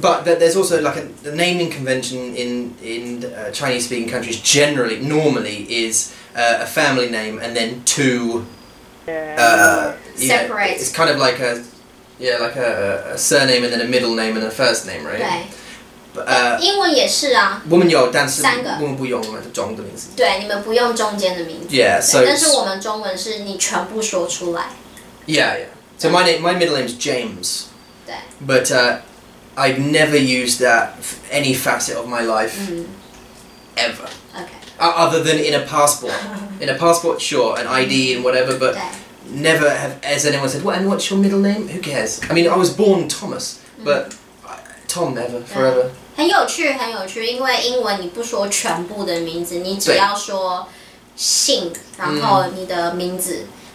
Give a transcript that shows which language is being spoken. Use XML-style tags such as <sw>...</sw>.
<en>But there's also like the naming convention in Chinese speaking countries generally, normally, is a family name and then two. Yeah. Separate. Know, it's kind of like a surname and then a middle name and a first name, right?</en> <zh>对。英文也是啊。我们有，但是三个。我们不用我们的中的名字。对，你们不用中间的名字。</zh> <en>Yeah, so.</en> <zh>但是我们中文是你全部说出来。</zh> <en>Yeah, yeah. So my middle name is James.</en> <zh>对。</zh> <en>But. I've never used that for any facet of my life, ever. Okay. Other than in a passport. In a passport, sure, an ID and whatever, but never has anyone said, well, and what's your middle name? Who cares? I mean, I was born Thomas, but Tom never, forever.</en> <zh>很有趣，因为英文你不说全部的名字，你只要说姓，然后你的名字。</zh>